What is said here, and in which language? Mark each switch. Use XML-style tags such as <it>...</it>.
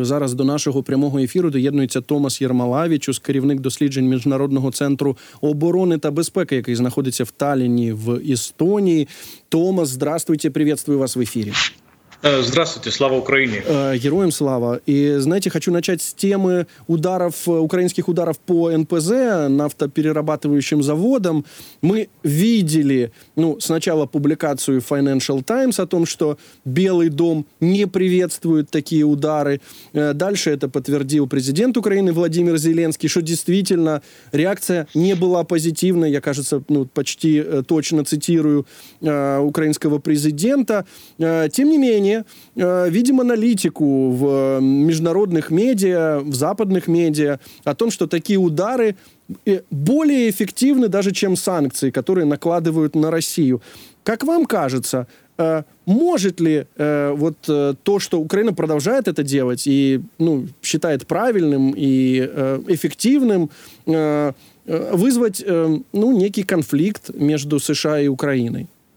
<uk>І зараз до нашого прямого ефіру доєднується Томас Єрмалавічус, керівник досліджень Міжнародного центру оборони та безпеки, який знаходиться в Таліні в Естонії.</uk> <ru>Томас, здравствуйте, приветствую вас в ефірі. Здравствуйте,</ru> <uk>слава Україні. Героям слава. І, знаєте, хочу почати з теми ударів, українських ударів по НПЗ, нафтоперерабатывающим заводам. Ми бачили, ну, спочатку публікацію Financial Times</uk> <ru>о том,</ru> <uk>що Білий дом</uk> <ru>не приветствует</ru> <uk>такі удари. Далі це підтвердив президент України Володимир Зеленський, що дійсно реакція не була позитивна, я,</uk> <ru>кажется, ну, почти точно</ru> <uk>цитирую українського президента.</uk> <ru>Тем не менее, видим аналитику в международных медиа, в западных медиа о том, что такие удары более эффективны даже, чем санкции, которые накладывают на Россию. Как вам кажется, может ли вот то, что Украина продолжает это делать и, ну, считает правильным и эффективным, вызвать, ну, некий конфликт между США и Украиной?</ru>